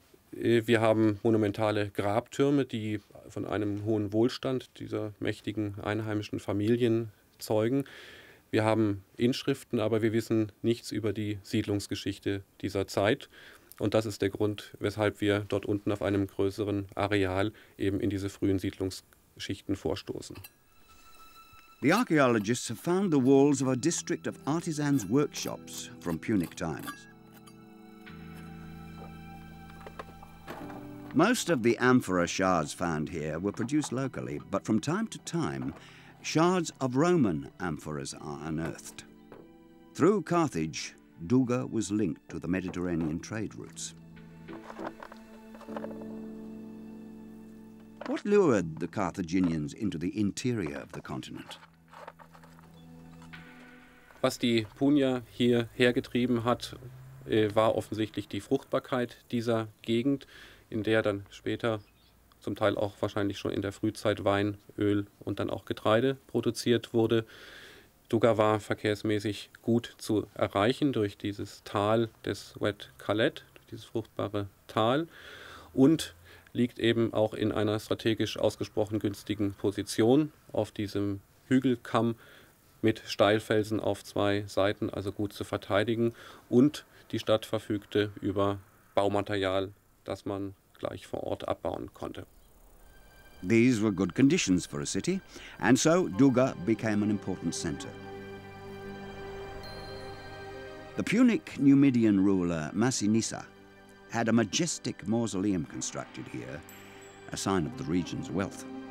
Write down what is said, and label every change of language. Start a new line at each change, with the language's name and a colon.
German: Wir haben monumentale Grabtürme, die von einem hohen Wohlstand dieser mächtigen einheimischen Familien zeugen. Wir haben Inschriften, aber wir wissen nichts über die Siedlungsgeschichte dieser Zeit. Und das ist der Grund, weshalb wir dort unten auf einem größeren Areal eben in diese frühen Siedlungsschichten vorstoßen.
English: The archaeologists have found the walls of a district of artisans' workshops from Punic times. Most of the amphora shards found here were produced locally, but from time to time, shards of Roman amphoras are unearthed. Through Carthage, Duga was linked to the Mediterranean trade routes. What lured the Carthaginians into the interior of the continent?
German: Was die Punier hier hergetrieben hat, war offensichtlich die Fruchtbarkeit dieser Gegend, in der dann später zum Teil auch wahrscheinlich schon in der Frühzeit Wein, Öl und dann auch Getreide produziert wurde. Duga war verkehrsmäßig gut zu erreichen durch dieses Tal des Wet Kalet, dieses fruchtbare Tal, und liegt eben auch in einer strategisch ausgesprochen günstigen Position auf diesem Hügelkamm mit Steilfelsen auf zwei Seiten, also gut zu verteidigen. Und die Stadt verfügte über Baumaterial, das man gleich vor Ort abbauen konnte.
English: These were good conditions for a city, and so Duga became an important center. The Punic Numidian ruler Massinissa had a majestic mausoleum constructed here, a sign of the region's wealth.